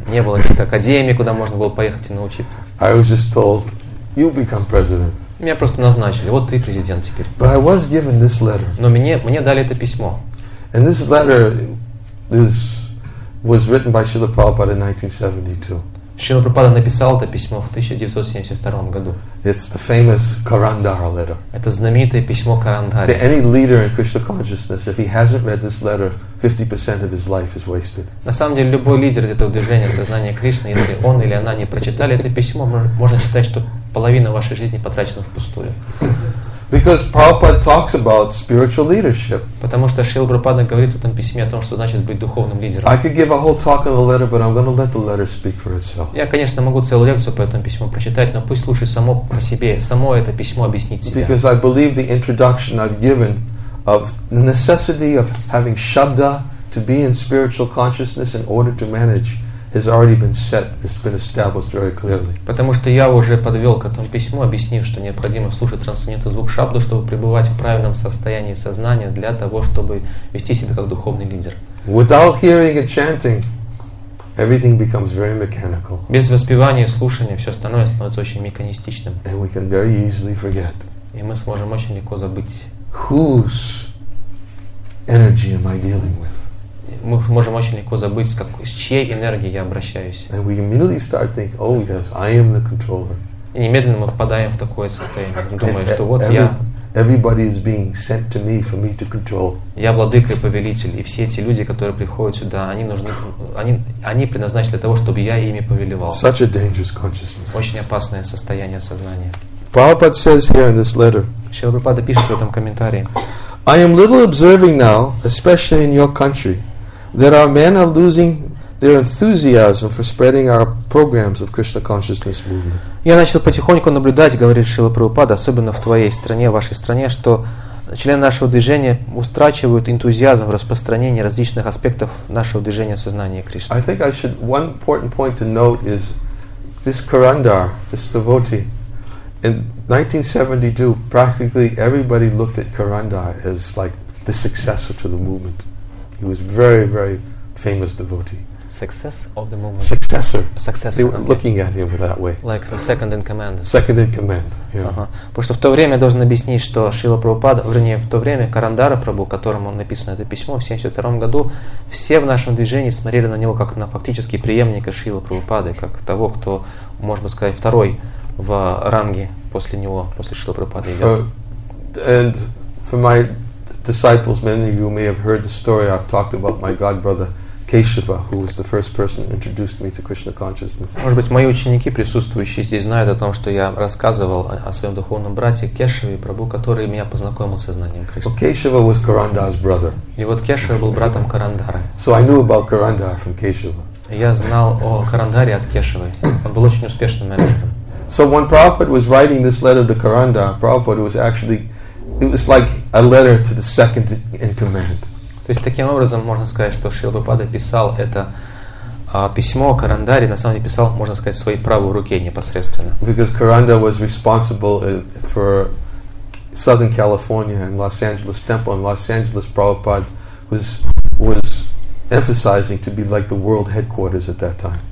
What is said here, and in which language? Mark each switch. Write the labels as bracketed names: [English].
[Russian] Не было никакой академии, куда можно было поехать и научиться. [English] I was just told, you become president. [Russian] Меня просто назначили. Вот ты президент теперь. [English] But I was given this letter. [Russian] Но мне дали это письмо. [English] And this letter was written by Srila Prabhupada in 1972. [Russian] Шрила Прабхупада написал это письмо в 1972 году. [English] It's the famous Karandara letter. [Russian] Это знаменитое письмо Карандари. [English] To any leader in Krishna consciousness, if he hasn't read this letter, 50% of his life is wasted. [Russian] На самом деле, любой лидер этого движения сознания Кришны, если он или она не прочитали это письмо, можно считать, что половина вашей жизни потрачена впустую. [English] Because Prabhupada talks about spiritual leadership. [Russian] Потому что Шрила Прабхупада говорит в этом письме о том, что значит быть духовным лидером. [English] I could give a whole talk on the letter, but I'm going to let the letter speak for itself. [Russian] Я, конечно, могу целую лекцию по этому письму прочитать, но пусть лучше само по себе, само это письмо объяснит себя. [English] Because I believe the introduction I've given of the necessity of having shabda to be in spiritual consciousness in order to manage has already been set, it's been established very clearly. [Russian] Потому что я уже подвел к этому письму, объяснив, что необходимо слушать трансцендентный звук шабду, чтобы пребывать в правильном состоянии сознания для того, чтобы вести себя как духовный лидер. [English] Without hearing and chanting, everything becomes very mechanical. [Russian] Без воспевания и слушания все остальное становится очень механистичным. [English] And we can very easily forget. [Russian] И мы сможем очень легко забыть. [English] Whose energy am I dealing with? [Russian] Мы можем очень легко забыть, с чьей энергией я обращаюсь. [English] And we immediately start thinking, oh yes, I am the controller. [Russian] И немедленно мы впадаем в такое состояние, думая, что вот я. [English] Everybody is being sent to me for me to control. [Russian] Я владыка и повелитель, и все эти люди, которые приходят сюда, они предназначены для того, чтобы я ими повелевал. [English] Such a dangerous consciousness. [Russian] Очень опасное состояние сознания. [English] Prabhupada says here in this letter. [Russian] Шрила Прабхупада пишет в этом комментарии. [English] I am little observing now, especially in your country, that our men are losing their enthusiasm for spreading our programs of Krishna consciousness movement. [Russian] Я начал потихоньку наблюдать, говорит Шрила Прабхупада, особенно в твоей стране, в вашей стране, что члены нашего движения утрачивают энтузиазм в распространении различных аспектов нашего движения сознания Кришны. [English] I think I should one important point to note is this Karandar, this devotee. In 1972, practically everybody looked at Karandar as like the successor to the movement. He was very, very famous devotee. Success of the movement. Successor. They were okay. Looking at him that way. Like the second in command. Second in command. Yeah. [Russian] Потому что в то время должен объяснить, что Шрила Прабхупада, вернее, в то время Карандара Прабху, которому написано это письмо в 72 году, все в нашем движении смотрели на него как на фактически преемника Шрила Прабхупады, как того, кто, можно сказать, второй в ранге после него, после Шрила Прабхупады. [English] And for my disciples, many of you may have heard the story I've talked about my god brother Кешава, who was the first person who introduced me to Krishna consciousness. [Russian] Может быть, мои ученики, присутствующие здесь, знают о том, что я рассказывал о своем духовном брате Кешаве, Прабху, который меня познакомил с сознанием Кришны. [English] Well, Кешава was Карандар's brother. [Russian] И вот Кешава был братом Карандара. [English] So I knew about Карандар from Кешава. [Russian] Я знал о Карандаре от Кешавы. Он был очень успешным менеджером. [English] So when Prabhupada was writing this letter to Карандар, Prabhupada was actually, it was like a letter to the second in command. [Russian] То есть таким образом можно сказать, что Шрила Прабхупада писал это письмо Карандаре, на самом деле писал, можно сказать, своей правой руке непосредственно. [English] Because Karanda was responsible for Southern California and Los Angeles Temple, and Los Angeles Prabhupada was emphasizing to be like the world headquarters at that time.